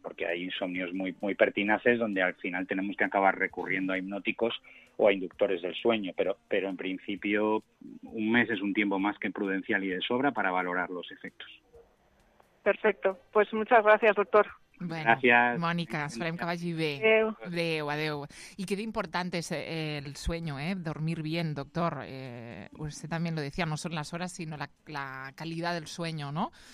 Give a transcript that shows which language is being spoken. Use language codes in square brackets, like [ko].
[es] Porque hay insomnios muy muy pertinaces donde al final tenemos que acabar recurriendo a hipnóticos o a inductores del sueño, pero en principio un mes es un tiempo más que prudencial y de sobra para valorar los efectos. Perfecto, pues muchas gracias, doctor. Bueno, gracias. [ca] Mònica, esperem que vagi bé. Adéu. Adéu. I que important és el [es] sueño, dormir bien, [ca] doctor. [es] Usted también lo decía, no son las horas, sino la calidad del sueño, ¿no?